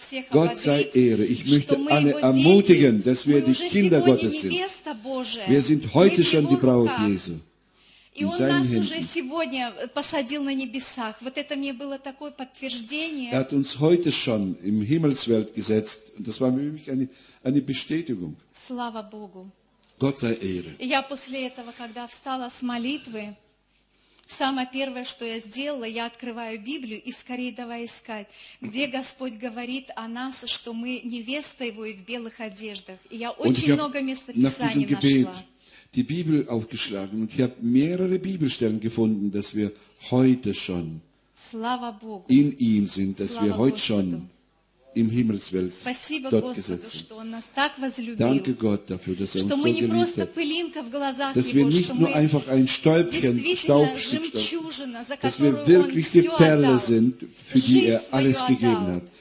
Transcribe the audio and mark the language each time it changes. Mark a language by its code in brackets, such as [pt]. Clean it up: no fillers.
[de] Gott sei Ehre, ich möchte alle ermutigen, dass wir die Kinder Gottes sind. Wir sind heute schon die Braut Jesu. [ru] И Он нас Händen. Уже сегодня посадил на небесах. Вот это мне было такое подтверждение. [de] Er hat uns heute schon im Himmelswelt gesetzt. Und das war für mich eine Bestätigung. [ru] Слава Богу. [de] Gott sei Ehre. [ru] Я после этого, когда встала с молитвы, Самое первое, что я сделала, я открываю Библию и скорее давай искать, где Господь говорит о нас, что мы невеста Его и в белых одеждах. И я очень много мест Писаний нашла. [de] Die Bibel aufgeschlagen und ich habe mehrere Bibelstellen gefunden, dass wir heute schon in ihm sind, dass wir heute schon im Himmelswelt dort gesetzt sind. Danke Gott dafür, dass er uns so geliebt hat, dass wir nicht nur einfach ein Stäubchen, Staubstück, dass wir wirklich die Perle sind, für die er alles gegeben hat.